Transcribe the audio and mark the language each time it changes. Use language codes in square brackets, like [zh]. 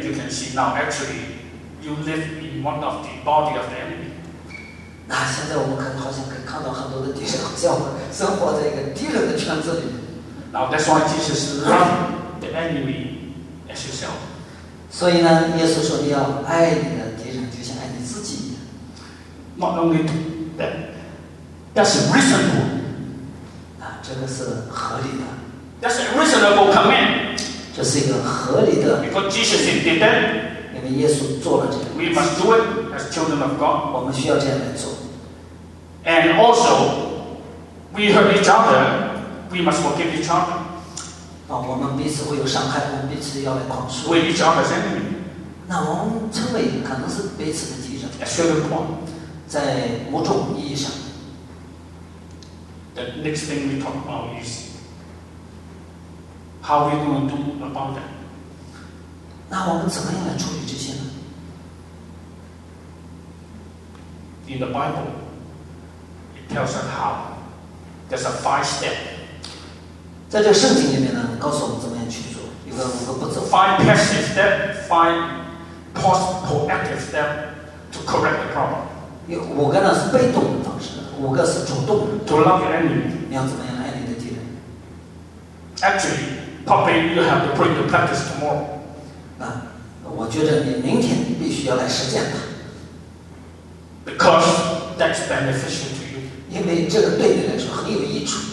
[en] You can see now actually you live in one of the body of the enemy. [zh] 那现在我们可以看到很多的敌人，好像我们生活在一个敌人的圈子里。 [en] Now that's why Jesus loved the enemy as yourself. [zh] 所以呢，耶稣说你要爱你的敌人，就像爱你自己一样。 [en] Not only that's reasonable. [zh] 那这个是合理的。 [en] That's a reasonable command. [zh] 这是一个合理的。 [en] Because Jesus did that. [zh] 因为耶稣做了这个。 [en] We must do it as children of God. [zh] 我们需要这样来做。 [en] And also, we hurt each other. We must forgive each other. [zh] 我们彼此会有伤害，我们彼此要来宽恕。 [en] We're each other's enemy. [zh] 那我们称为可能是彼此的敌人。 [en] A certain point. [zh] 在某种意义上。 [en] The next thing we talk about is how we're going to do about that. [zh] 那我们怎么样来处理这些呢？ [en] In the Bible, it tells us how. There's a five step. [zh] 在这个圣经里面呢，告诉我们怎么样去做，一个步骤。 [en] Five passive step, five post proactive step to correct the problem. [zh] 有五个呢是被动的方式，五个是主动的。 [en] To love your enemy. [zh] 你要怎么样爱你的敌人 [en] ？Actually, probably you have to bring to practice tomorrow. [zh] 那我觉得你明天必须要来实践它。 [en] Because that's beneficial to you. [zh] 因为这个对你来说很有益处。